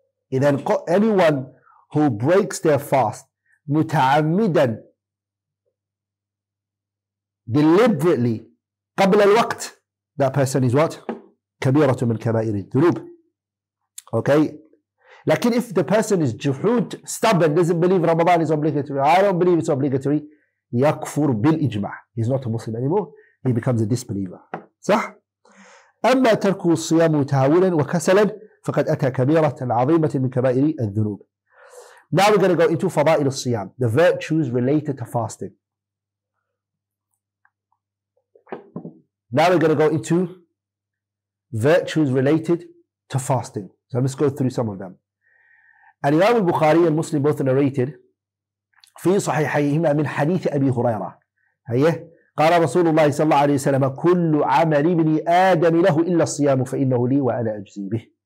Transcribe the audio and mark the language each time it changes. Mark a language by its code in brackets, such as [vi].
[en] And then anyone who breaks their fast مُتَعَمِّدًا deliberately [ar] قَبْلَ الْوَقْتِ, [en] that person is what? [ar] كَبِيرَةٌ مِنْ كَبَائِرِ الذُّنُوبِ. [en] Okay? Like if the person is juhud, stubborn, doesn't believe Ramadan is obligatory, I don't believe it's obligatory, [ar] yakfur bil ijma'. [en] He's not a Muslim anymore. He becomes a disbeliever. [ar] صح؟ أما ترك الصيام تهاولا وكسلا فقد أتى كبيرة عظيمة من كبائر الذنوب. [en] Now we're going to go into fada'il al-siyam, the virtues related to fasting. Now we're going to go into virtues related to fasting. So let's go through some of them. And Imam al-Bukhari and Muslim both narrated [ar] في صحيحيهما من حديث أبي هريرة. قال رسول الله صلى الله عليه وسلم كل عمل ابن آدم له إلا الصيام فإنه لي وأنا أجزي به.